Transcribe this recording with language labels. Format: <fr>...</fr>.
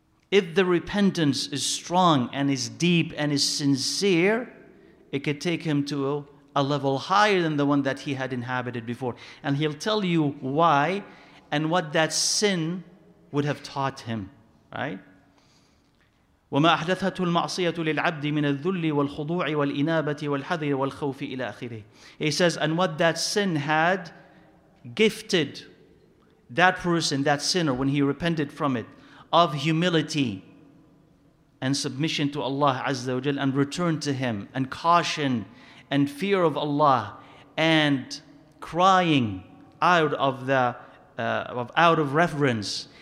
<en>If the repentance is strong and is deep and is sincere, it could take him to a level higher than the one that he had inhabited before. And he'll tell you why and what that sin would have taught him, right?</en> <ar>وما أحدثته المعصية للعبد من الذل والخضوع والإنابة والحذر والخوف إلى آخره.</ar> <en>He says, and what that sin had gifted that person, that sinner, when he repented from it, of humility and submission to Allah Azza wa Jal, and return to Him, and caution and fear of Allah, and crying out of reverence.</en>